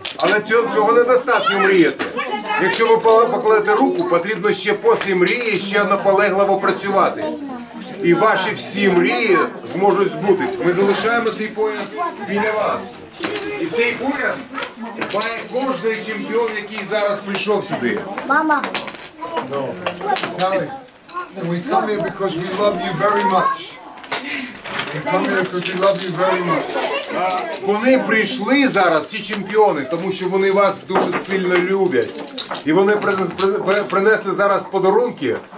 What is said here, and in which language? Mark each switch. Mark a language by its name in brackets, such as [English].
[Ukrainian] Але цього недостатньо мріяти. Якщо ви покладете руку, потрібно ще після мрії ще наполегливо працювати. І ваші всі мрії зможуть збутись. Ми залишаємо цей пояс біля вас. І цей пояс має кожний чемпіон, який зараз прийшов сюди. Мама. [English] Vitali, we come here because we love you very much. We come here because we love you very much. [Ukrainian] Вони прийшли зараз, ці чемпіони, тому що вони вас дуже сильно люблять. І вони принесли зараз подарунки.